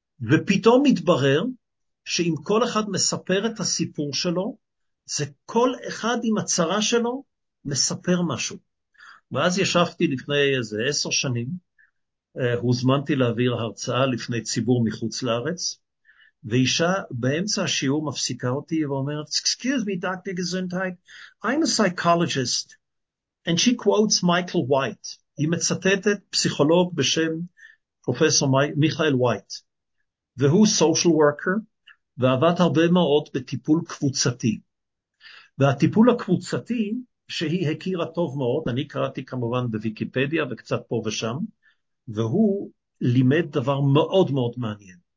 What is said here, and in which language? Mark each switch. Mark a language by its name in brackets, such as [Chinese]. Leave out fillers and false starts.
[Hebrew] ופתאום מתברר שאם כל אחד מספר את הסיפור שלו, זה כל אחד עם הצרה שלו מספר משהו. ואז ישבתי לפני איזה 10 שנים, הוזמנתי להעביר הרצאה לפני ציבור מחוץ לארץ, ואישה באמצע השיעור מפסיקה אותי ואומרת, [English] Excuse me, Dr. Gesundheit, I'm a psychologist, and she quotes Michael White. [Hebrew] היא מצטטת פסיכולוג בשם פרופסור מיכאל וייט, והוא social worker, ועבד הרבה מאוד בטיפול קבוצתי. והטיפול הקבוצתי שהיא הכירה טוב מאוד, אני קראתי כמובן בוויקיפדיה וקצת פה ושם, והוא לימד דבר מאוד מאוד מעניין.